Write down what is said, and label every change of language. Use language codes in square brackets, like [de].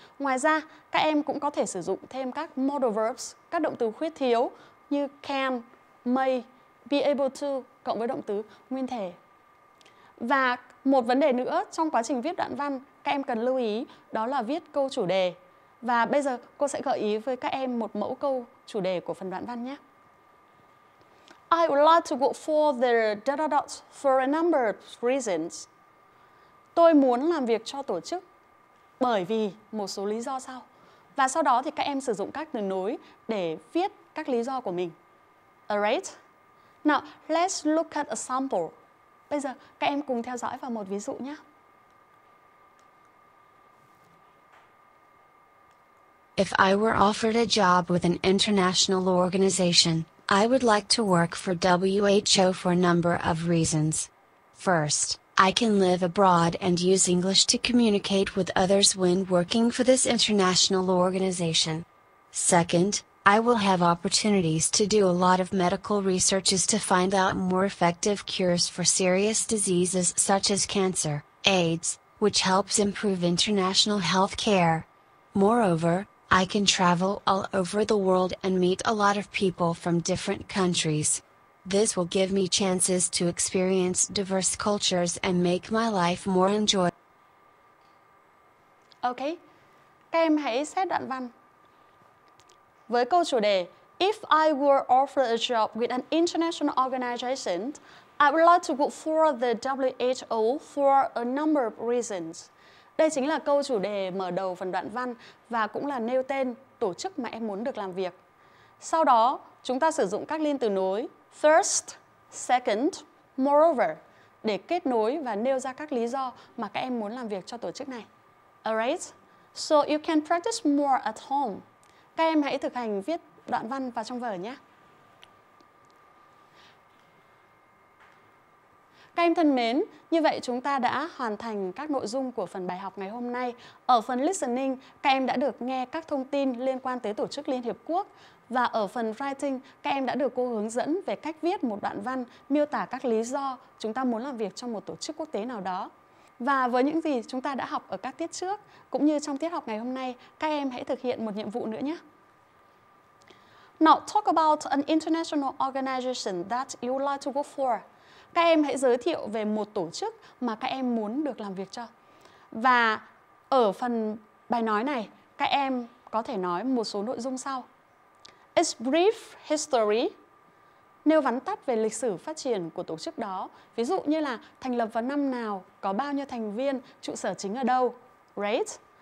[vi] Ngoài ra, các em cũng có thể sử dụng thêm các modal verbs, các động từ khuyết thiếu như can, may, be able to, cộng với động từ nguyên thể. Và một vấn đề nữa trong quá trình viết đoạn văn, các em cần lưu ý, đó là viết câu chủ đề. Và bây giờ, cô sẽ gợi ý với các em một mẫu câu chủ đề của phần đoạn văn nhé. [en] I would like to go for the dot-dot-dots for a number of reasons. [vi] Tôi muốn làm việc cho tổ chức bởi vì một số lý do sau. Và sau đó thì các em sử dụng các từ nối để viết các lý do của mình. Alright? [en] Now, let's look at a sample. [vi] Bây giờ, các em cùng theo dõi vào một ví dụ nhé. [en] If I were offered a job with an international organization, I would like to work for WHO for a number of reasons. First, I can live abroad and use English to communicate with others when working for this international organization. Second, I will have opportunities to do a lot of medical researches to find out more effective cures for serious diseases such as cancer, AIDS, which helps improve international health care. Moreover, I can travel all over the world and meet a lot of people from different countries. This will give me chances to experience diverse cultures and make my life more enjoyable. [vi] Okay, các em hãy xét đoạn văn. Với câu chủ đề, [en] if I were offered a job with an international organization, I would like to go for the WHO for a number of reasons. [vi] Đây chính là câu chủ đề mở đầu phần đoạn văn và cũng là nêu tên tổ chức mà em muốn được làm việc. Sau đó, chúng ta sử dụng các liên từ nối first, second, moreover để kết nối và nêu ra các lý do mà các em muốn làm việc cho tổ chức này. Alright? [en] So you can practice more at home. [vi] Các em hãy thực hành viết đoạn văn vào trong vở nhé. Các em thân mến, như vậy chúng ta đã hoàn thành các nội dung của phần bài học ngày hôm nay. Ở phần listening, các em đã được nghe các thông tin liên quan tới tổ chức Liên Hiệp Quốc. Và ở phần writing, các em đã được cô hướng dẫn về cách viết một đoạn văn miêu tả các lý do chúng ta muốn làm việc trong một tổ chức quốc tế nào đó. Và với những gì chúng ta đã học ở các tiết trước, cũng như trong tiết học ngày hôm nay, các em hãy thực hiện một nhiệm vụ nữa nhé. [en] Now, talk about an international organization that you like to work for. [vi] Các em hãy giới thiệu về một tổ chức mà các em muốn được làm việc cho. Và ở phần bài nói này, các em có thể nói một số nội dung sau. [en] It's brief history. [vi] Nêu vắn tắt về lịch sử phát triển của tổ chức đó. Ví dụ như là thành lập vào năm nào, có bao nhiêu thành viên, trụ sở chính ở đâu. right?